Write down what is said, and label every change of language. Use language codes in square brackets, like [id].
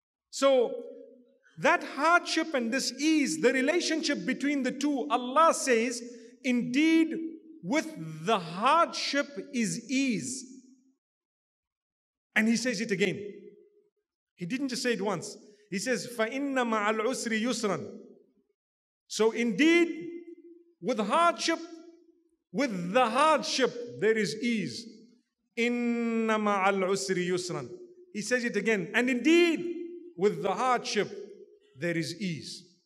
[en] So that hardship and this ease, the relationship between the two, Allah says, indeed, with the hardship is ease. And He says it again. He didn't just say it once. [ar] He says, فَإِنَّ مَعَ الْعُسْرِ يُسْرًا. [en] So indeed, with hardship, with the hardship, there is ease. [ar] إِنَّ مَعَ الْعُسْرِ يُسْرًا. [en] He says it again. And indeed, with the hardship, there is ease.